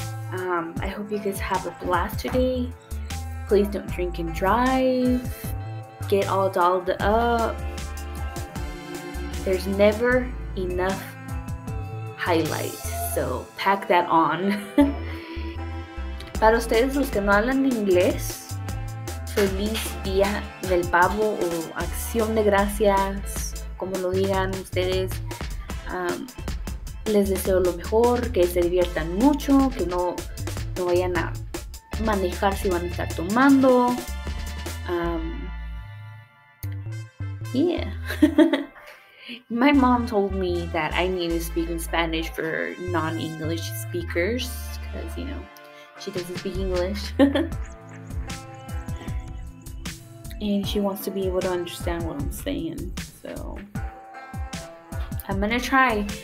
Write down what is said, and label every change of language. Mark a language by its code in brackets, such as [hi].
[en] I hope you guys have a blast today. Please don't drink and drive. Get all dolled up. There's never enough highlight, so pack that on. [es] Para ustedes los que no hablan inglés, Feliz Día del Pavo o Acción de Gracias, como lo digan ustedes. Les deseo lo mejor, que se diviertan mucho, que no vayan a manejar si van a estar tomando. [en] Yeah. My mom told me that I need to speak in Spanish for non-English speakers because, you know, she doesn't speak English. And she wants to be able to understand what I'm saying, so I'm gonna try.